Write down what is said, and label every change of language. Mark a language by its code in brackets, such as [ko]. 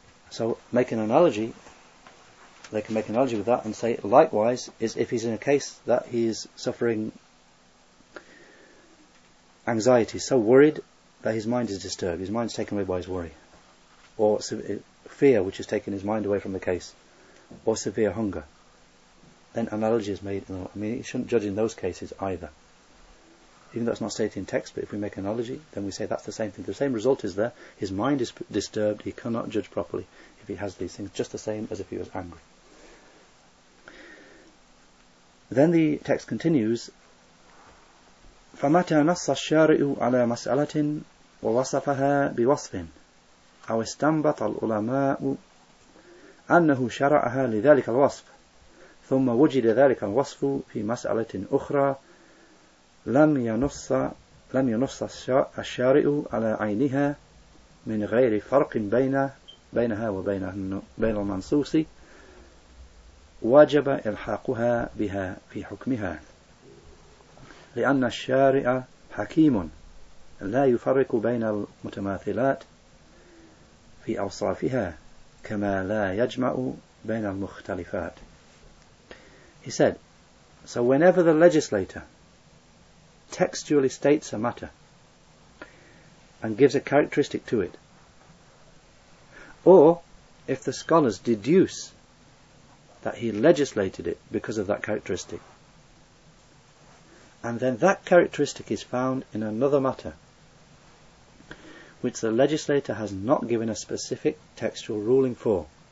[en] So make an analogy, they can make an analogy with that and say likewise is if he's in a case that he is suffering anxiety, so worried that his mind is disturbed, his mind's taken away by his worry, or fear which has taken his mind away from the case, or severe hunger, then analogy is made. You shouldn't judge in those cases either, even though it's not stated in text, but if we make analogy then we say that's the same thing, the same result is there, his mind is disturbed, he cannot judge properly if he has these things, just the same as if he was angry. Then the text continues, [ar] فَمَتَى نَصَّ الشَّارِئُ عَلَى مَسْأَلَةٍ وَوَصَفَهَا بِوَصْفٍ أَوْ اسْتَنْبَطَ الْعُلَمَاءُ أنه شرعها لذلك الوصف ثم وجد ذلك الوصف في مسألة أخرى لم ينص الشارع على عينها من غير فرق بينها وبين المنصوص وجب إلحاقها بها في حكمها لأن الشارع حكيم لا يفرق بين المتماثلات في أوصافها كَمَا لَا يَجْمَعُ بَيْنَ الْمُخْتَلِفَاتِ. [en] He said, so whenever the legislator textually states a matter and gives a characteristic to it, or if the scholars deduce that he legislated it because of that characteristic, and then that characteristic is found in another matter which the legislator has not given a specific textual ruling for,